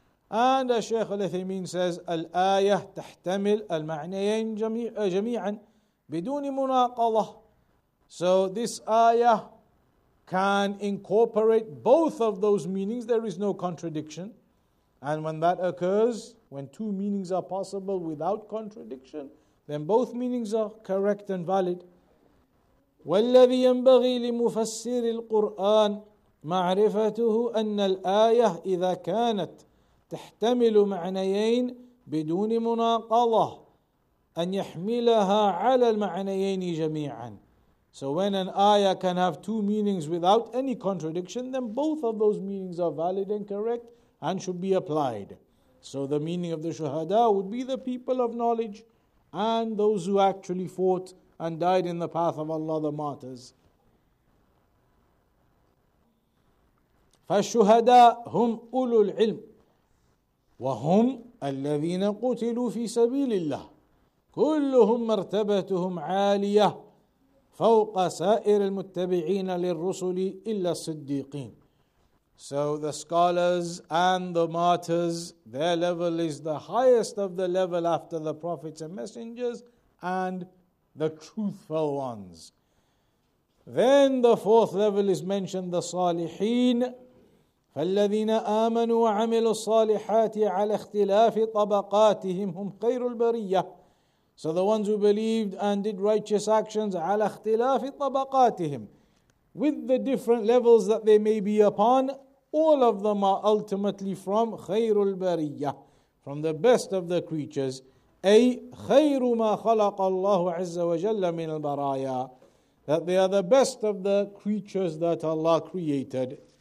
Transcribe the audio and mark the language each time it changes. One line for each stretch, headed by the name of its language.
English: And as Shaykh al-Uthaymeen says,
Arabic: al-ayah tahtamil al-ma'niyayn jami'an bidun munaqadha.
English: So this ayah can incorporate both of those meanings. There is no contradiction. And when that occurs, when two meanings are possible without contradiction, then both meanings are correct and valid.
Arabic: وَالَّذِي يَنْبَغِي لِمُفَسِّرِ الْقُرْآنِ معرفته أن الآية إذا كانت تحتمل معنيين بدون مناقضة أن يحملها على المعنيين جميعا.
English: So when an ayah can have two meanings without any contradiction, then both of those meanings are valid and correct and should be applied. So the meaning of the shuhada would be the people of knowledge and those who actually fought and died in the path of Allah, the martyrs.
Arabic: فالشهداء هم أولو العلم وهم الذين قتلوا في سبيل الله كلهم مرتبتهم عالية فوق سائر المتبعين للرسل إلا الصديقين.
English: So the scholars and the martyrs, their level is the highest of the level after the prophets and messengers and the truthful ones. Then the fourth level is mentioned, the صالحين.
Arabic: فالذين آمنوا وعملوا الصالحات على اختلاف طبقاتهم هم خير البرية.
English: So the ones who believed and did righteous actions
Arabic: على اختلاف طبقاتهم,
English: with the different levels that they may be upon, all of them are ultimately from
Arabic: خير البرية,
English: from the best of the creatures.
Arabic: أي خير ما خلق الله عز وجل من البرايا,
English: that they are the best of the creatures that Allah created.